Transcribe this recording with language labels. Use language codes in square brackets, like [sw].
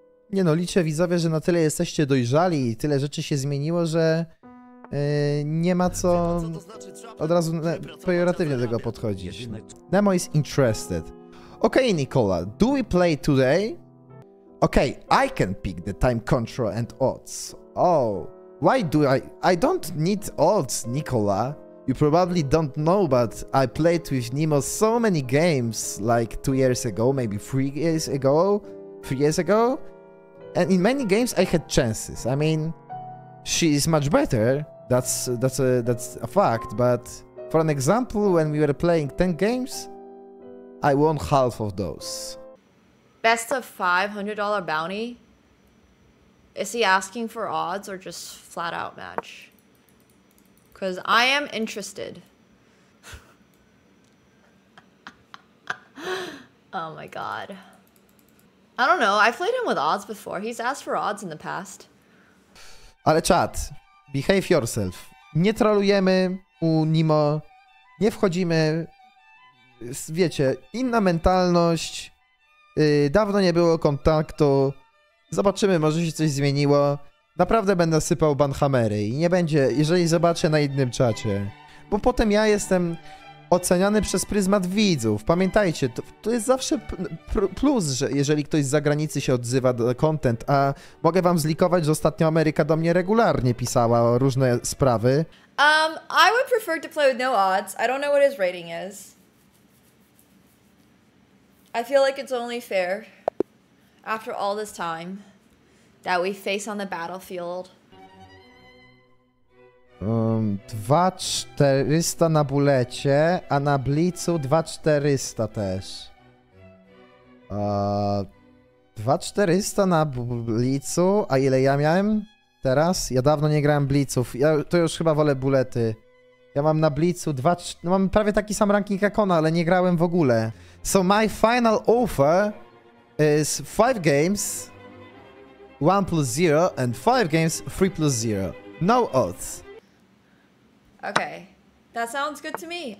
[pl] Nie no, liczę widzowie, że na tyle jesteście dojrzali i tyle rzeczy się zmieniło, że nie ma co od razu pejoratywnie do tego podchodzić. [en] Nemo is interested. Okay, Nicola, do we play today? Okay, I can pick the time control and odds. Oh, why do I don't need odds, Nicola. You probably don't know, but I played with Nemo so many games like 2 years ago, maybe 3 years ago, 3 years ago. And in many games I had chances. I mean, she is much better. That's a fact. But for an example, when we were playing 10 games, I won half of those. Best of $500 bounty? Is he asking for odds or just flat out match? Because I am interested. Oh my god. I don't know, I've played him with odds before. He's asked for odds in the past. [pl] Ale [en] chat, behave yourself. [pl] Nie trolujemy u Nemo. Nie wchodzimy. Wiecie, inna mentalność. Dawno nie było kontaktu. Zobaczymy, może się coś zmieniło. Naprawdę będę sypał banhamery i nie będzie, jeżeli zobaczę na innym czacie. Bo potem ja jestem oceniany przez pryzmat widzów. Pamiętajcie, to jest zawsze plus, że jeżeli ktoś z zagranicy się odzywa do content, a mogę wam zlikować, że ostatnio Ameryka do mnie regularnie pisała o różne sprawy. [en] I would prefer to play with no odds. I don't know what his rating is. I feel like it's only fair after all this time that we face on the battlefield. [pl] 2400 na bulecie, a na blicu 2400 też. 2400 na blicu, a ile ja miałem teraz? Ja dawno nie grałem bliców, ja to już chyba wolę bulety. Ja mam na blicu 2400, no mam prawie taki sam ranking jak ona, ale nie grałem w ogóle. [en] So my final offer is 5 games 1 plus 0 and 5 games 3 plus 0. No odds. Okay, that sounds good to me.